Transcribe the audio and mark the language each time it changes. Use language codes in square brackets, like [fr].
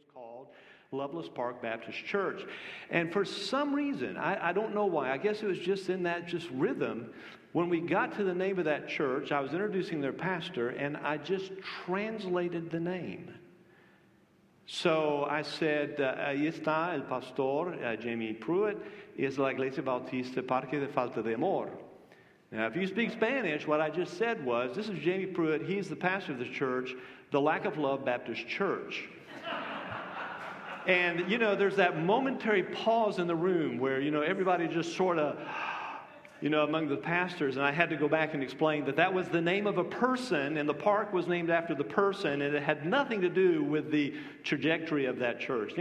[en] called Loveless Park Baptist Church. And for some reason, I don't know why, I guess it was just in that just rhythm, when we got to the name of that church, I was introducing their pastor, and I just translated the name. [es] So I said, ahí está el pastor, Jamie Pruitt, es la Iglesia Bautista Parque de Falta de Amor. [en] Now, if you speak Spanish, what I just said was, this is Jamie Pruitt, he's the pastor of the church, the Lack of Love Baptist Church. And, you know, there's that momentary pause in the room where, you know, everybody just sort of, you know, among the pastors, and I had to go back and explain that that was the name of a person, and the park was named after the person, and it had nothing to do with the trajectory of that church.